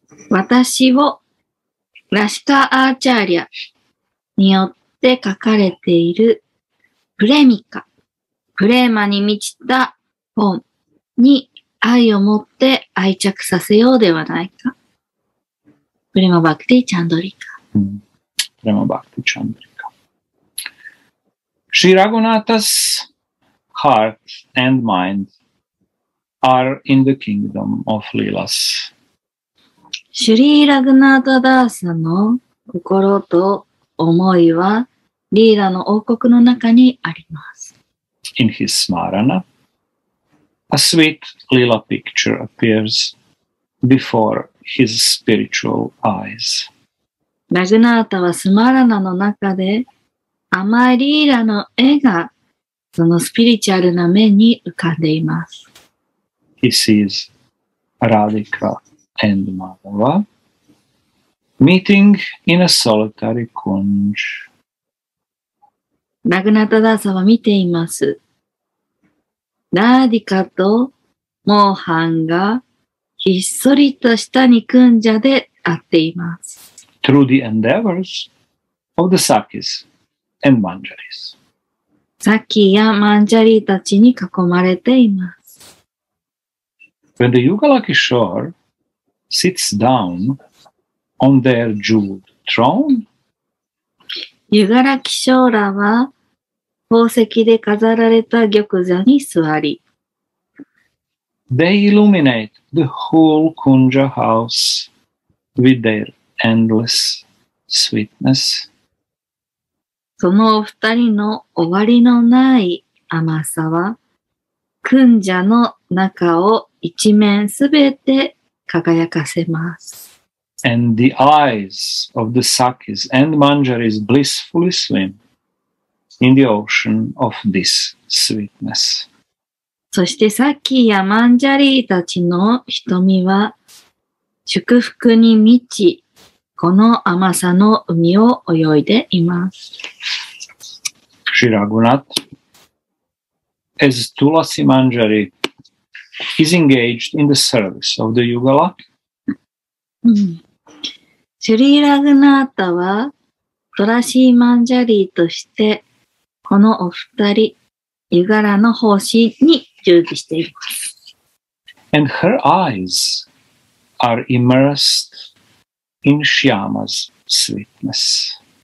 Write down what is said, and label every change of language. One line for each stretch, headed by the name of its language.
Japanese: 私をラシカ・アーチャーリアによって書かれているプレミカ、プレーマに満ちた本に愛を持って愛着させようではないか。プレマ・バクティ・チャンドリカ。プレマ・バクティ・チャンドリカ。
English: シラゴナタス heart and mind are in the kingdom of Lilas.
Japanese: シュリー・ラグナータ・ダーサの心と思いはリーラの王国の中にあります。
English: In his Smarana, a sweet Lila picture appears before his spiritual eyes.
Japanese: ラグナータはスマラナの中で甘いリーラの絵がそのスピリチュアルな目に浮かんでいます。
English: He sees Radhika. And Madhava meeting in a solitary kunj.
Japanese: ラグナタダサは見ています。ラーディカとモーハンがひっそりと下にクンジャで会っています。
English: Through the endeavors of the Sakis and Manjaris.
Japanese: サキやマンジャリたちに囲まれています。
English: When the Yugala Kishore sits down on their jeweled throne.
Japanese: ユガラキショーラは宝石で飾られた玉座に座り。
English: They illuminate the whole Kunja house with their endless sweetness.
Japanese: そのお二人の終わりのない甘さは、クンジャの中を一面すべて輝かせます。
English: And the eyes of the Sakis and Manjaris blissfully swim in the ocean of this sweetness.
Japanese: そしてサキやマンジャリーたちの瞳は祝福に満ち、この甘さの海を泳いでいます。
English: シラグナタ、as Tulasi Manjari. Is engaged in the service of the Yugala.
Japanese: シュリー・ラグナータはトラシー・マンジャリーとしてこのお二人ユガラの奉仕に従事しています。
English: And her eyes are immersed in Shyama's sweetness.